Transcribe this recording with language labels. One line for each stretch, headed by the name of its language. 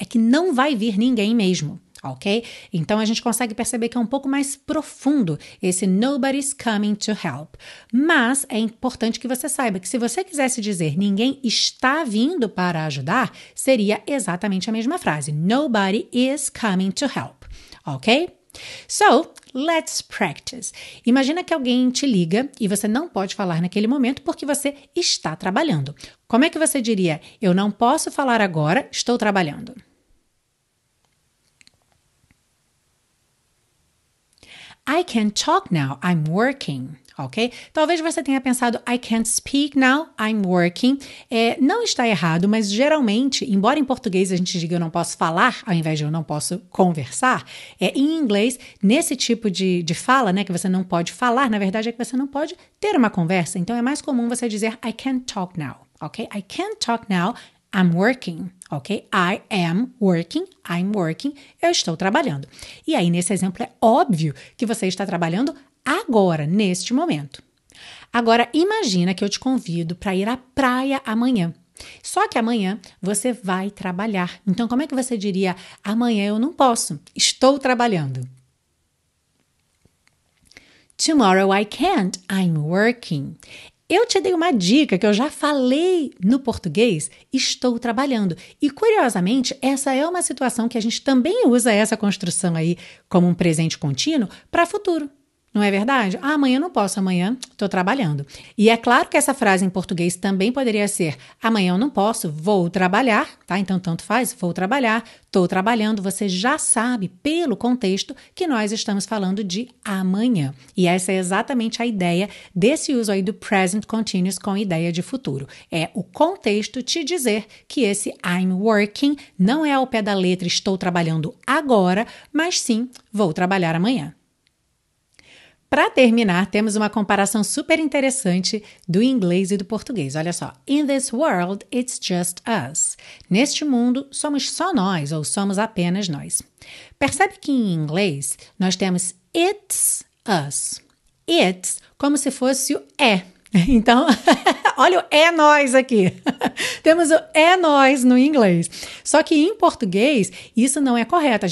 Portuguese: É que não vai vir ninguém mesmo, ok? Então, a gente consegue perceber que é um pouco mais profundo esse
English: nobody's coming to help.
Portuguese: Mas é importante que você saiba que se você quisesse dizer ninguém está vindo para ajudar, seria exatamente a mesma frase.
English: Nobody is coming to help, ok? So, let's practice.
Portuguese: Imagina que alguém te liga e você não pode falar naquele momento porque você está trabalhando. Como é que você diria, eu não posso falar agora, estou trabalhando?
English: I can't talk now, I'm working. Ok?
Portuguese: Talvez você tenha pensado,
English: I can't speak now, I'm working.
Portuguese: Não está errado, mas geralmente, embora em português a gente diga eu não posso falar, ao invés de eu não posso conversar, em inglês, nesse tipo de fala, né, que você não pode falar, na verdade é que você não pode ter uma conversa. Então, é mais comum você dizer,
English: I can't talk now,
Portuguese: ok?
English: I can't talk now, I'm working, ok? I am working, I'm working,
Portuguese: eu estou trabalhando. E aí, nesse exemplo, é óbvio que você está trabalhando agora, neste momento. Agora, imagina que eu te convido para ir à praia amanhã. Só que amanhã você vai trabalhar. Então, como é que você diria, amanhã eu não posso, estou trabalhando?
English: Tomorrow I can't, I'm working.
Portuguese: Eu te dei uma dica que eu já falei no português, estou trabalhando. E curiosamente, essa é uma situação que a gente também usa essa construção aí como um presente contínuo para futuro. Não é verdade? Ah, amanhã não posso, amanhã estou trabalhando. E é claro que essa frase em português também poderia ser amanhã eu não posso, vou trabalhar, tá? Então, tanto faz, vou trabalhar, estou trabalhando. Você já sabe, pelo contexto, que nós estamos falando de amanhã. E essa é exatamente a ideia desse uso aí do present continuous com ideia de futuro. É o contexto te dizer que esse
English: I'm working
Portuguese: não é ao pé da letra estou trabalhando agora, mas sim vou trabalhar amanhã. Para terminar, temos uma comparação super interessante do inglês e do português. Olha só.
English: In this world, it's just us.
Portuguese: Neste mundo, somos só nós ou somos apenas nós. Percebe que em inglês, nós temos it's us. It's como se fosse o é. Então, olha o é nós aqui. Temos o é nós no inglês. Só que em português, isso não é correto.